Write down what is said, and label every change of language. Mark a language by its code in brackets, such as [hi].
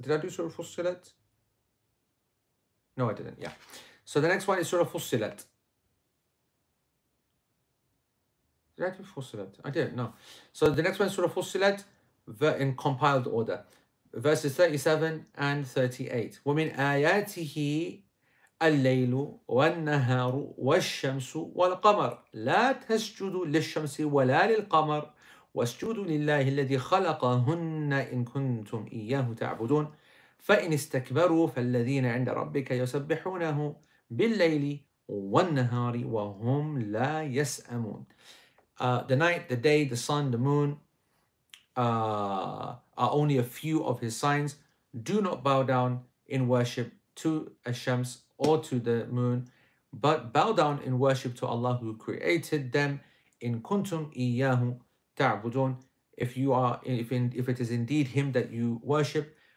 [en] Did I do Surah Fussilat? No, I didn't. Yeah. So the next one is Surah Fussilat. Did I do Fussilat? I didn't. No. So the next one is Surah Fussilat in compiled order. Verses 37 and 38. [ar] الليل والنهار والشمس والقمر لا تسجدوا للشمس ولا للقمر واسجدوا لله الذي خلقهن إن كنتم إياه تعبدون فإن استكبروا فالذين عند ربك يسبحونه بالليل والنهار وهم لا يسأمون. [en] The night, the day, the sun, the moon are only a few of his signs. Do not bow down in worship to a shams or to the moon, but bow down in worship to Allah who created them. [ar] In kuntum iyyahu ta'budun, [en] if it is indeed him that you worship.